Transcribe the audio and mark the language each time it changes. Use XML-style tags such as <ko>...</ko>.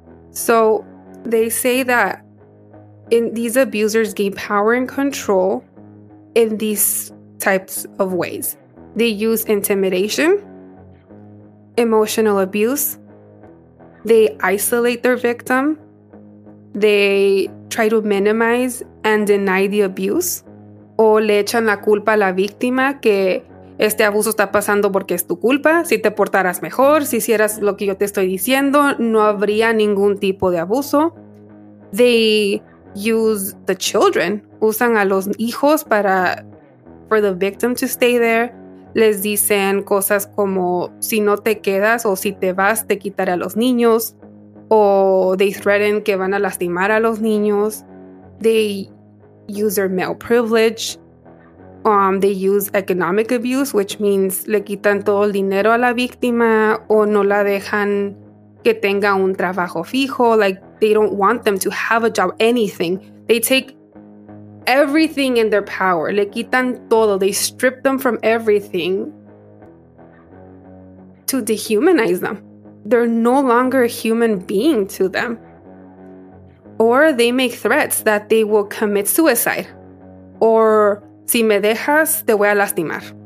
<en>So they say that these abusers gain power and control in these types of ways. They use intimidation, emotional abuse. They isolate their victim. They try to minimize and deny the abuse.</en> <es>O le echan la culpa a la víctima que este abuso está pasando porque es tu culpa. Si te portaras mejor, si hicieras lo que yo te estoy diciendo, no habría ningún tipo de abuso.</es> <en>They use the children.</en> <es>Usan a los hijos para</es> <en>for the victim to stay there.</en> <es>Les dicen cosas como si no te quedas o si te vas, te quitaré a los niños. O</es> <en>they threaten</en> <es>que van a lastimar a los niños.</es> <en>They use their male privilege. They use economic abuse, which means</en> <es>le quitan todo el dinero a la víctima o no la dejan que tenga un trabajo fijo.</es> <en>Like, they don't want them to have a job, anything. They take everything in their power.</en> <es>Le quitan todo.</es> <en>They strip them from everything to dehumanize them. They're no longer a human being to them. Or they make threats that they will commit suicide. Or,</en> <es>si me dejas, te voy a lastimar.</es>